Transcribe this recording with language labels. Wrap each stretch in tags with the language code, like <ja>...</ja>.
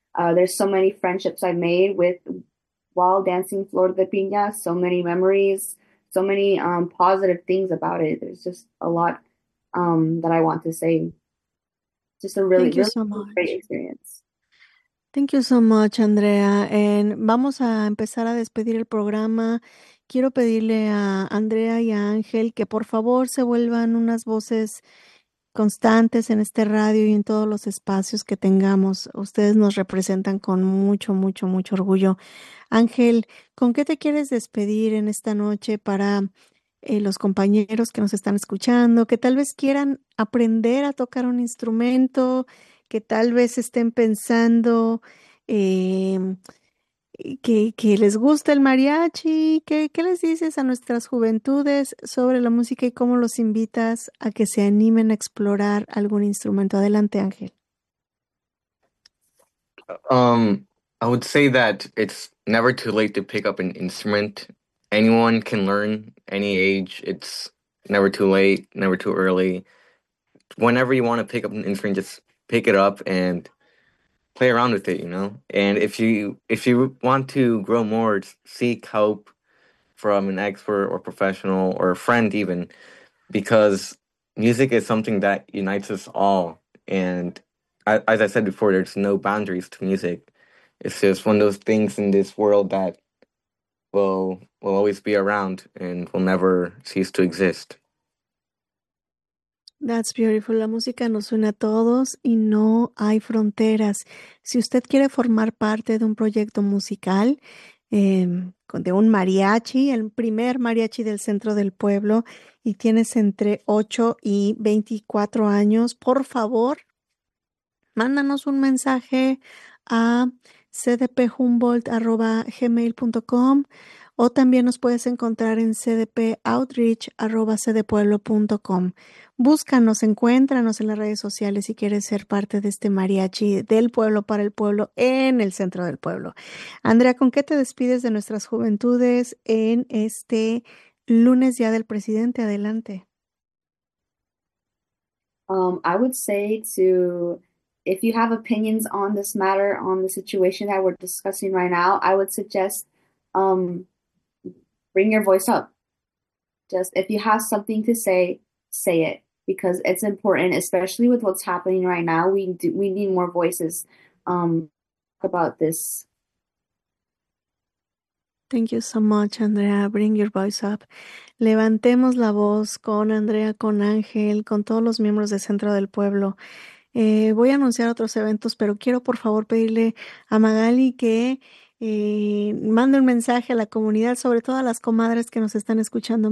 <en>There's so many friendships I've made while dancing Flor de Piña, so many memories, so many positive things about it. There's just a lot that I want to say. Just a really, really so much. Great experience. Thank you so much, Andrea.</en> <es>And vamos a empezar a despedir el programa. Quiero pedirle a Andrea y a Ángel que por favor se vuelvan unas voces constantes en este radio y en todos los espacios que tengamos. Ustedes nos representan con mucho, mucho, mucho orgullo. Ángel, ¿con qué te quieres despedir en esta noche para los compañeros que nos están escuchando, que tal vez quieran aprender a tocar un instrumento, que tal vez estén pensando que les gusta el mariachi? ¿Qué les dices a nuestras juventudes sobre la música y cómo los invitas a que se animen a explorar algún instrumento? Adelante, Ángel.</es> <en>I would say that it's never too late to pick up an instrument. Anyone can learn, any age. It's never too late, never too early. Whenever you want to pick up an instrument, just pick it up and play around with it, you know. And if you want to grow more, seek help from an expert or professional or a friend even, because music is something that unites us all. And as I said before, there's no boundaries to music. It's just one of those things in this world that will always be around and will never cease to exist. That's beautiful.</en> <es>La música nos une a todos y no hay fronteras. Si usted quiere formar parte de un proyecto musical, de un mariachi, el primer mariachi del centro del pueblo, y tienes entre 8 y 24 años, por favor, mándanos un mensaje a cdphumboldt@gmail.com o también nos puedes encontrar en cdpoutreach@cdpueblo.com. Búscanos, encuéntranos en las redes sociales si quieres ser parte de este mariachi del pueblo para el pueblo en el centro del pueblo. Andrea, ¿con qué te despides de nuestras juventudes en este lunes ya del presidente? Adelante.</es> <en>I would say to, if you have opinions on this matter, on the situation that we're discussing right now, I would suggest bring your voice up. Just if you have something to say, say it, because it's important, especially with what's happening right now. We need more voices about this. Thank you so much, Andrea. Bring your voice up.</en> <es>Levantemos la voz con Andrea, con Ángel, con todos los miembros del Centro del Pueblo. Voy a anunciar otros eventos, pero quiero por favor pedirle a Magali que mande un mensaje a la comunidad, sobre todo a las comadres que nos están escuchando.</es>